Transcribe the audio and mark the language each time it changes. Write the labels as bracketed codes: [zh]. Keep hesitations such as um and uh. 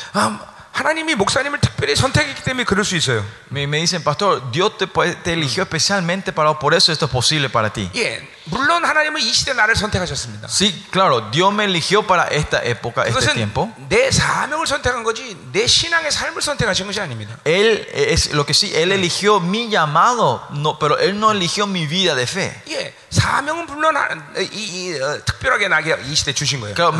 [ko] Ah, 하나님이 목사님을 특별히 선택했기 때문에 그럴 수 있어요. [es] Me, me dicen, pastor, Dios te, te eligió especialmente para por eso esto es posible para ti. [ko] Yeah, 물론 하나님은 이 시대 나를 선택하셨습니다. [es] Sí, claro, Dios me eligió para esta época, este tiempo. [ko] 내 사명을 선택한 거지 내 신앙의 삶을 선택하신 것이 아닙니다. [es] Él es lo que sí, él eligió mi llamado, no, pero él no eligió mi vida de fe. Yeah. [ko] 사명은 물론 이, 이, 어, 특별하게 나게 이 시대 주신 거예요.